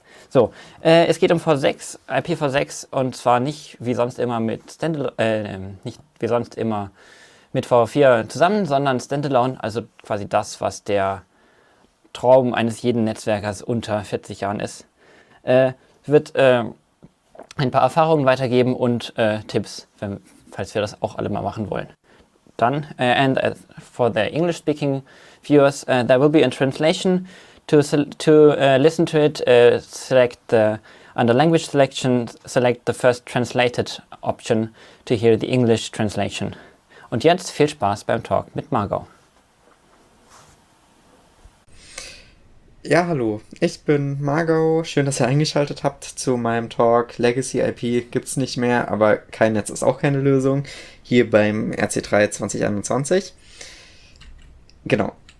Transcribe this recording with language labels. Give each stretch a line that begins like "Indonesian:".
German: So, es geht um V6, IPv6 und zwar nicht wie sonst immer mit V4 zusammen, sondern Standalone, also quasi das, was der Traum eines jeden Netzwerkers unter 40 Jahren ist. Wird ein paar Erfahrungen weitergeben und Tipps, falls wir das auch alle mal machen wollen. Dann,
English: and for the English speaking viewers, there will be a translation. To listen to it, select the, under language selection, select the first translated option to hear the English translation.
German: Und jetzt viel Spaß beim Talk mit Margot. Ja, hallo, ich bin Margot. Schön, dass ihr eingeschaltet habt zu meinem Talk. Legacy IP gibt's nicht mehr, aber kein Netz ist auch keine Lösung. Hier beim RC3 2021. Genau.